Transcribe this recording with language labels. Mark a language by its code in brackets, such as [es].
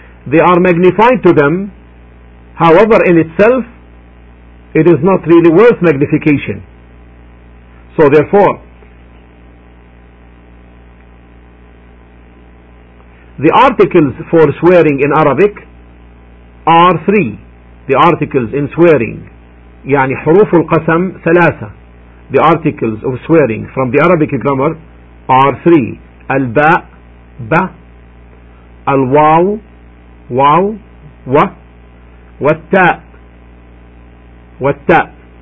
[en] They are magnified to them, however in itself it is not really worth magnification. So therefore, the articles for swearing in Arabic are three. The articles in swearing, [ar] يعني حروف القسم ثلاثة. [en] The articles of swearing from the Arabic grammar are three. [ar] الباء, ب, الواو, واو, و, والتاء, والتاء.